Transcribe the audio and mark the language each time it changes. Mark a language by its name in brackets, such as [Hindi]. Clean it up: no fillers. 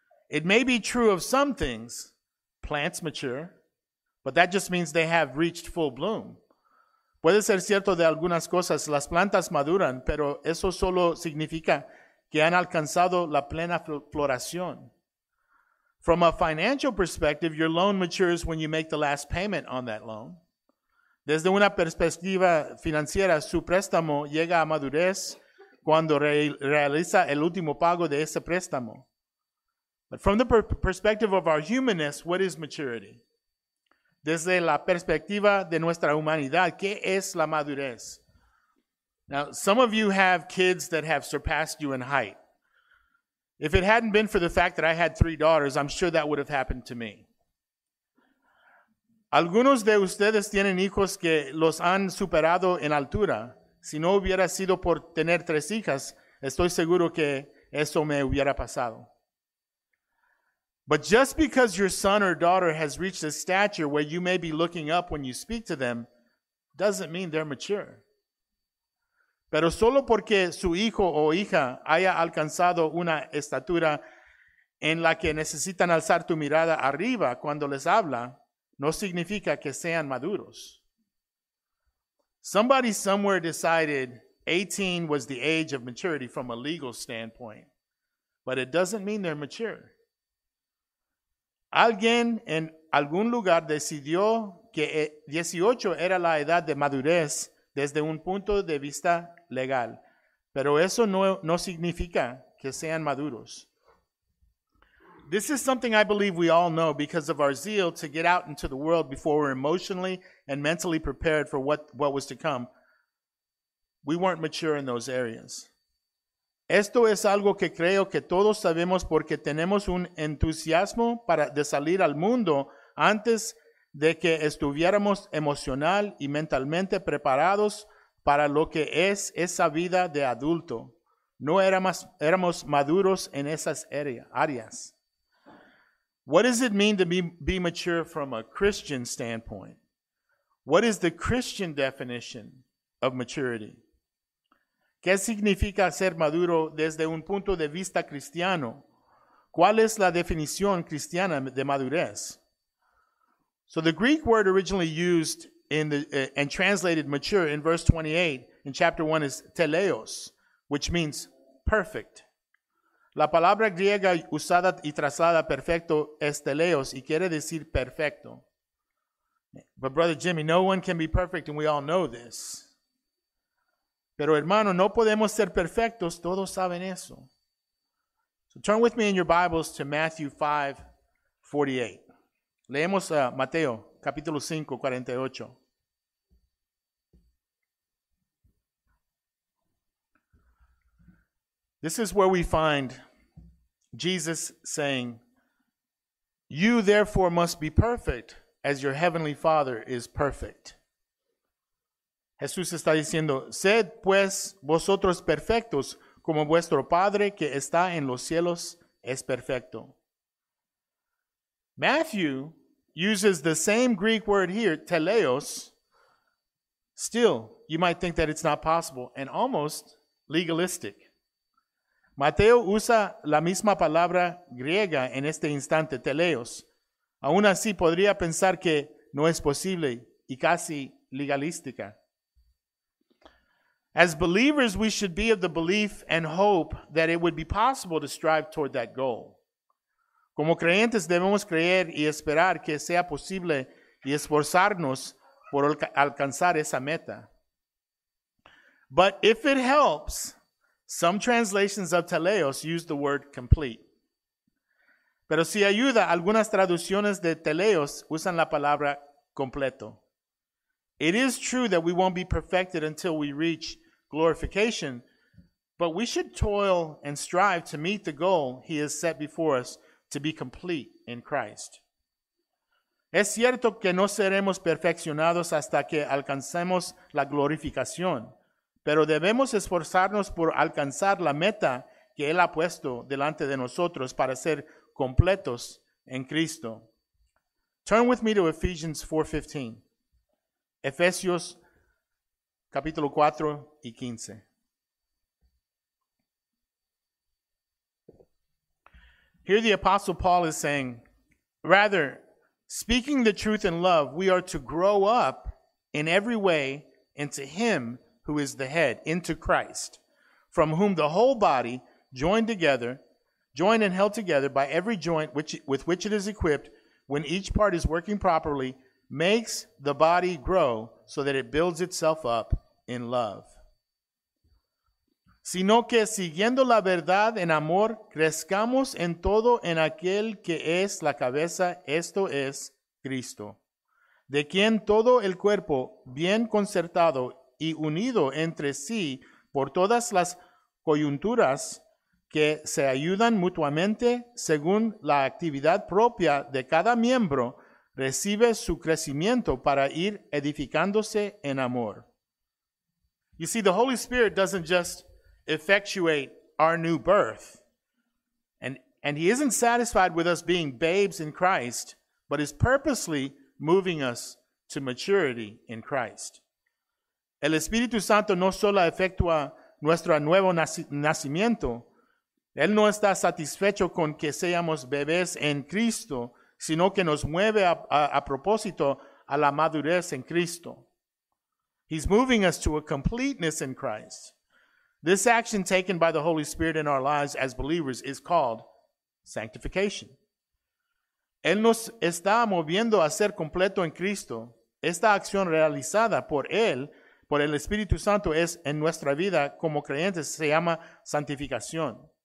[English] It may be true of some things. Plants mature, but that just means they have reached full bloom. [Spanish] Puede ser cierto de algunas cosas. Las plantas maduran, pero eso solo significa que han alcanzado la plena floración. [English] From a financial perspective, your loan matures when you make the last payment on that loan. [Spanish] Desde una perspectiva financiera, su préstamo llega a madurez cuando realiza el último pago de ese préstamo. [English] But from the perspective of our humanness, what is maturity? [Spanish] Desde la perspectiva de nuestra humanidad, ¿qué es la madurez? [English] Now, some of you have kids that have surpassed you in height. If it hadn't been for the fact that I had 3 daughters, I'm sure that would have happened to me. [Spanish] Algunos de ustedes tienen hijos que los han superado en altura. Si no hubiera sido por tener 3 hijas, estoy seguro que eso me hubiera pasado. [English] But just because your son or daughter has reached a stature where you may be looking up when you speak to them, doesn't mean they're mature. [Spanish] Pero solo porque su hijo o hija haya alcanzado una estatura en la que necesitan alzar tu mirada arriba cuando les habla, no significa que sean maduros. [English] Somebody somewhere decided 18 was the age of maturity from a legal standpoint, but it doesn't mean they're mature. [Spanish] Alguien en algún lugar decidió que 18 era la edad de madurez desde un punto de vista legal, pero eso no significa que sean maduros. [English] This is something I believe we all know because of our zeal to get out into the world before we're emotionally and mentally prepared for what was to come. We weren't mature in those areas. [Spanish] Esto es algo que creo que todos sabemos porque tenemos un entusiasmo para de salir al mundo antes de que estuviéramos emocional y mentalmente preparados para lo que es esa vida de adulto. No éramos maduros en esas áreas. [English] What does it mean to be mature from a Christian standpoint? What is the Christian definition of maturity? [Spanish] ¿Qué significa ser maduro desde un punto de vista cristiano? ¿Cuál es la definición cristiana de madurez? [English] So the Greek word originally used in the and translated mature in verse 28 in chapter 1 is teleos, which means perfect. [Spanish] La palabra griega usada y trasladada perfecto es teleos y quiere decir perfecto. [English] But brother Jimmy, no one can be perfect and we all know this. [Spanish] Pero hermano, no podemos ser perfectos, todos saben eso. [English] So turn with me in your Bibles to Matthew 5:48. [Spanish] Leemos a Mateo capítulo 5:48. [English] This is where we find Jesus saying, "You therefore must be perfect as your heavenly Father is perfect." [Spanish] Jesús está diciendo, "Sed pues vosotros perfectos como vuestro Padre que está en los cielos es perfecto." [English] Matthew uses the same Greek word here, teleos. Still, you might think that it's not possible and almost legalistic. [Spanish] Mateo usa la misma palabra griega en este instante, teleos. Aún así, podría pensar que no es posible y casi legalística. [English] As believers, we should be of the belief and hope that it would be possible to strive toward that goal. [Spanish] Como creyentes, debemos creer y esperar que sea posible y esforzarnos por alcanzar esa meta. [English] But if it helps, some translations of teleos use the word complete. [Spanish] Pero si ayuda, algunas traducciones de teleos usan la palabra completo. [English] It is true that we won't be perfected until we reach glorification, but we should toil and strive to meet the goal he has set before us to be complete in Christ. [Spanish] Es cierto que no seremos perfeccionados hasta que alcancemos la glorificación. Pero debemos esforzarnos por alcanzar la meta que Él ha puesto delante de nosotros para ser completos en Cristo. [English] Turn with me to Ephesians 4:15. [Spanish] Efesios capítulo 4 y 15. [English] Here the Apostle Paul is saying, "Rather, speaking the truth in love, we are to grow up in every way into Him who is the head, into Christ, from whom the whole body, joined and held together by every joint with which it is equipped, when each part is working properly, makes the body grow so that it builds itself up in love. [Spanish] Sino que siguiendo la verdad en amor, crezcamos en todo en aquel que es la cabeza, esto es Cristo, de quien todo el cuerpo bien concertado y unido entre sí por todas las coyunturas que se ayudan mutuamente según la actividad propia de cada miembro, recibe su crecimiento para ir edificándose en amor. [English] You see, the Holy Spirit doesn't just effectuate our new birth. And He isn't satisfied with us being babes in Christ, but is purposely moving us to maturity in Christ. [Spanish] El Espíritu Santo no solo efectúa nuestro nuevo nacimiento. Él no está satisfecho con que seamos bebés en Cristo, sino que nos mueve a propósito a la madurez en Cristo. [English] He's moving us to a completeness in Christ. This action taken by the Holy Spirit in our lives as believers is called sanctification. [Spanish] Él nos está moviendo a ser completo en Cristo. Esta acción realizada por Él, por el Espíritu Santo, es en nuestra vida como creyentes, se llama santificación.